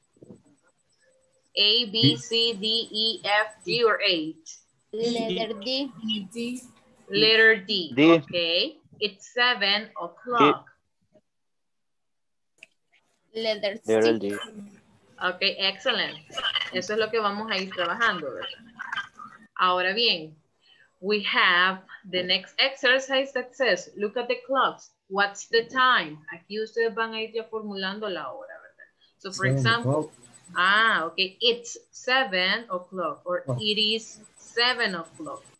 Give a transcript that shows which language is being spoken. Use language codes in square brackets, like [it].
[en] A, B, C, D, E, F, G, or H? Letter D. D. Letter D. D. Okay. It's 7 o'clock. Letter C. Letter D. Okay, excellent. [es] Eso es lo que vamos a ir trabajando, ¿verdad? Ahora bien, [en] we have the next exercise that says, look at the clocks. What's the time? [es] Aquí ustedes van a ir ya formulando la hora, ¿verdad? [en] So for example, okay, it's 7 o'clock or it is 7 o'clock.